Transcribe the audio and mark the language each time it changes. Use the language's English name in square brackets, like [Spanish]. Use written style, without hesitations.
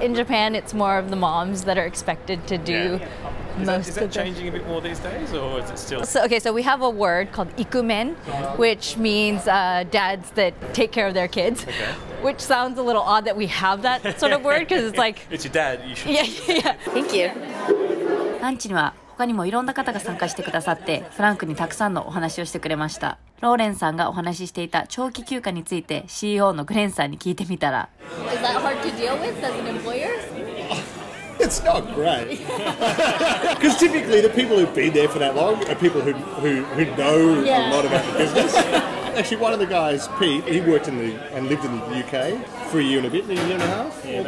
[English] In Japan, it's more of the moms that are expected to do... Yeah. Is that changing a bit more these days, or is it still? So we have a word called ikumen, which means dads that take care of their kids. Okay. Which sounds a little odd that we have that sort of word because it's like it's your dad. You should. Yeah. Thank you. [Japanese] ランチには他にもいろんな方が参加してくださって、フランクにたくさんのお話をしてくれました。ローレンさんがお話ししていた長期休暇について CEO のグレンさんに聞いてみたら。 [English] Is that hard to deal with as an employer? It's not great. Because typically the people who've been there for that long are people who know a lot about the business. Actually, one of the guys, Pete, he worked in the and lived in the UK for a year and a bit, a year and a half.